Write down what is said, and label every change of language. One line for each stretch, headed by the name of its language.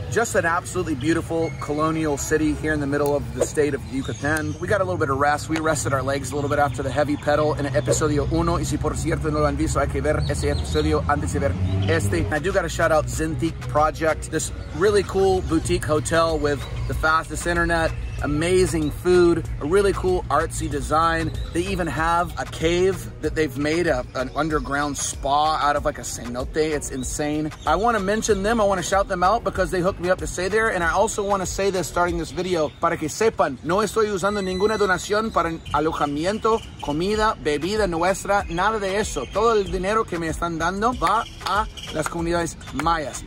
English: Just an absolutely beautiful colonial city here in the middle of the state of Yucatan. We got a little bit of rest. We rested our legs a little bit after the heavy pedal in episodio 1.
Spanish: Y si por cierto no lo han visto, hay que ver ese episodio antes de ver este.
English: I do got to shout out Zintiq Project. This really cool boutique hotel with the fastest internet. Amazing food, a really cool artsy design. They even have a cave that they've made an underground spa out of like a cenote. It's insane. I want to mention them. I want to shout them out because they hooked me up to stay there. And I also want to say this starting this video.
Spanish: Para que sepan, no estoy usando ninguna donación para alojamiento, comida, bebida nuestra, nada de eso. Todo el dinero que me están dando va a las comunidades mayas.